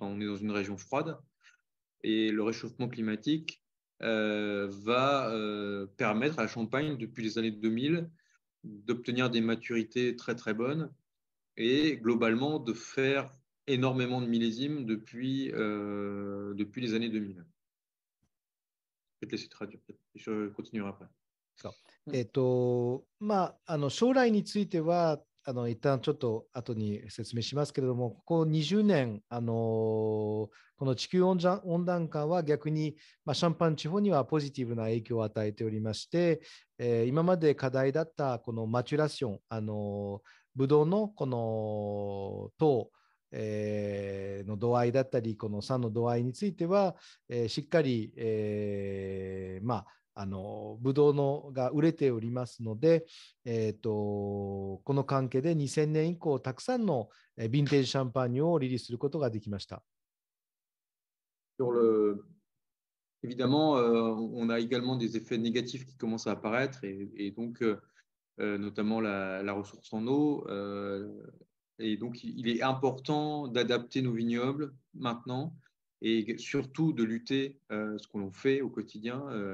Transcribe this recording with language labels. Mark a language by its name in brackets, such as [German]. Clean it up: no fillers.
[French] On est dans une région froide. Et le réchauffement climatique va permettre à la Champagne, depuis les années 2000, d'obtenir des maturités très très bonnes et globalement de faire énormément de millésimes depuis les années 2000. Je vais te laisser traduire, je continuerai après. Sur la suite, va. [Japanese] 一旦ちょっと後に説明しますけれども、ここ20年この地球温暖化は逆に、まあ、シャンパン地方にはポジティブな影響を与えておりまして、今まで課題だったこのマチュラション、ブドウのこの糖、の度合いだったりこの酸の度合いについては、しっかり、ブドウのが売れておりますので、この関係で2000年以降たくさんのヴィンテージシャンパーニュをリリースすることができました。 [French] Sur le... Évidemment, on a également des effets négatifs qui commencent à apparaître et donc notamment la ressource en eau. Et donc il est important d'adapter nos vignobles maintenant et surtout de lutter ce qu'on fait au quotidien.